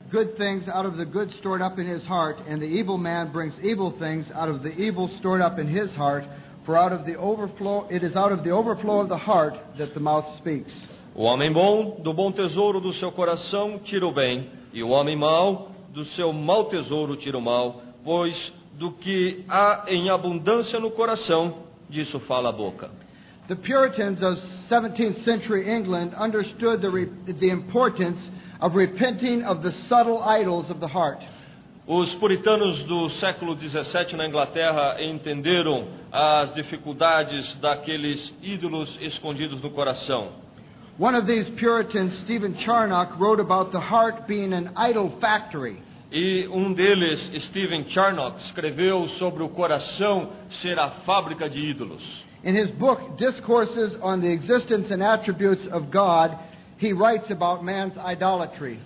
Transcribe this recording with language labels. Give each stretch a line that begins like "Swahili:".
English: good things out of the good stored up in his heart, and the evil man brings evil things out of the evil stored up in his heart. For out of the overflow, it is out of the overflow of the heart that the mouth speaks.
Portuguese: O homem bom, do bom tesouro do seu coração tira o bem, e o homem mau, do seu mau tesouro tira o mal, pois do que há em abundância no coração, disso fala a boca.
English: The Puritans of 17th century England understood the importance of repenting of the subtle idols of the heart.
Portuguese: Os puritanos do século 17 na Inglaterra entenderam as dificuldades daqueles ídolos escondidos no coração.
English: One of these Puritans, Stephen Charnock, wrote about the heart being an idol factory.
Portuguese: E um deles, Stephen Charnock, escreveu sobre o coração ser a fábrica de ídolos.
English: In his book Discourses on the Existence and Attributes of God, he writes about man's idolatry.